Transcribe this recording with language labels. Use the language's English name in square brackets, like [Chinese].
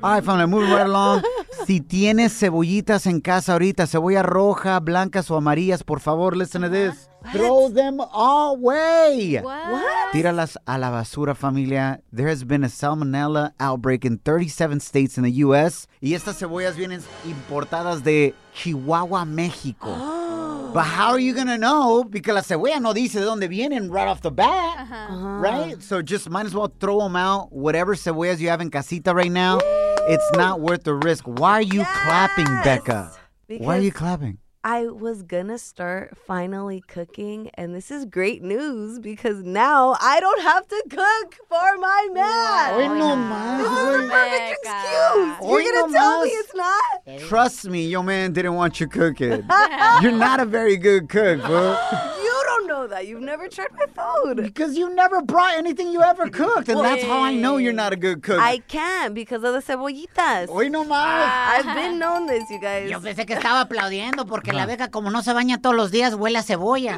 [English] All right, family, moving right along. [Spanish] Si tienes cebollitas en casa ahorita, cebolla roja, blancas o amarillas, por favor, [English] listen to this. What? Throw them away. What? [Spanish] Tíralas a la basura, familia. [English] There has been a salmonella outbreak in 37 states in the U.S. [Spanish] Y estas cebollas vienen importadas de Chihuahua, México. [English] Oh. But how are you going to know? Because [Spanish] la cebolla no dice de dónde vienen [English] right off the bat, uh-huh. Right? So just might as well throw them out. Whatever cebollas you have in casita right now, woo! It's not worth the risk. Why are you yes! clapping, Becca? Because why are you clapping? I was going to start finally cooking, and this is great news because now I don't have to cook for my man. Oh, no, man. This is the perfect excuse. You're going to tell me it's not? Trust me, your man didn't want you cooking. You're not a very good cook, bro. You don't know that. You've never tried my food. Because you never brought anything you ever cooked, and that's how I know you're not a good cook. I can because of the cebollitas. [Spanish] Hoy no más. [English] I've been known this, you guys. [Spanish] Yo pensé que estaba aplaudiendo porque la beca, como no se baña todos los días, huele a cebolla.